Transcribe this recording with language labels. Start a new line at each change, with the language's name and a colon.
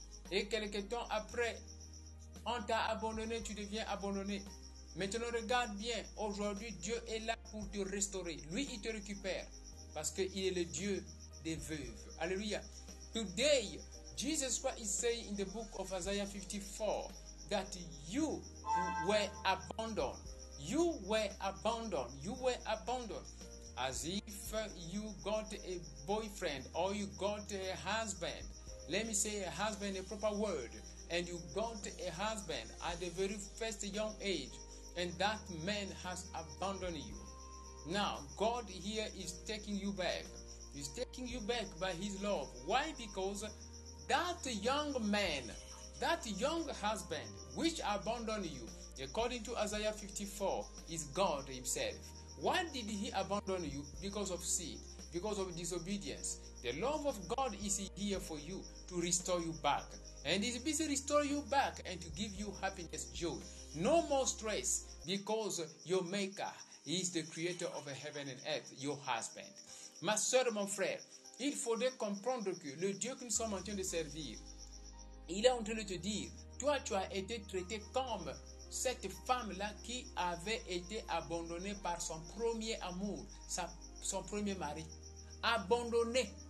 French: Et quelques temps après, on t'a abandonné, tu deviens abandonné. Maintenant, regarde bien. Aujourd'hui, Dieu est là pour te restaurer. Lui, il te récupère. Parce qu'il est le Dieu des veuves. Alléluia.
English: Today, Jesus Christ is saying in the book of Isaiah 54 that you were abandoned. You were abandoned. You were abandoned. As if you got a boyfriend or you got a husband. Let me say a husband, a proper word. And you got a husband at the very first young age. And that man has abandoned you. Now, God here is taking you back. He's taking you back by his love. Why? Because that young man, that young husband, which abandoned you, according to Isaiah 54, is God himself. Why did he abandon you? Because of sin, because of disobedience. The love of God is here for you to restore you back. And it's busy restore you back and to give you happiness, joy. No more stress because your maker is the creator of heaven and earth, your husband.
French: Ma soeur, mon frère, il faudrait comprendre que le Dieu que nous sommes en train de servir, il est en train de te dire, toi tu as été traité comme cette femme-là qui avait été abandonnée par son premier amour, son premier mari. Abandonnée.